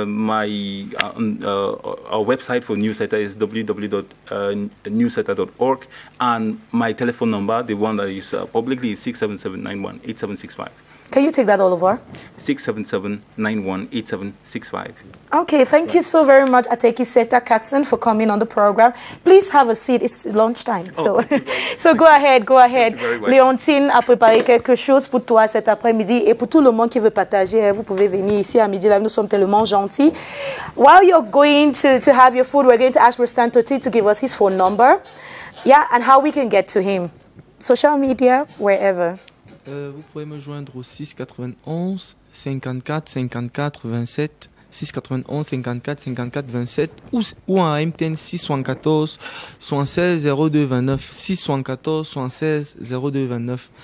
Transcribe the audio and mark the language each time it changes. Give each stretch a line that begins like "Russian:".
English: Our website for NewSETA is www.newseta.org. And my telephone number, the one that I use publicly, is 677-918765. Can you take that, Oliver? 677-918765. Okay, thank you so very much, Ateki Seta Caxton, for coming on the program. Please have a seat. It's lunchtime. Oh, so go ahead.
French: Léontine a préparé quelque chose pour toi cet après-midi. Et pour tout le monde qui veut partager, vous pouvez venir ici à midi. Là, nous sommes tellement gentils.
English: While you're going to have your food, we're going to ask Rustan Toti to give us his phone number. Yeah, and how we can get to him. Social media, wherever.
French: Vous pouvez me joindre au 691-54-54-27 ou à MTN 614-116-0229 614-116-0229.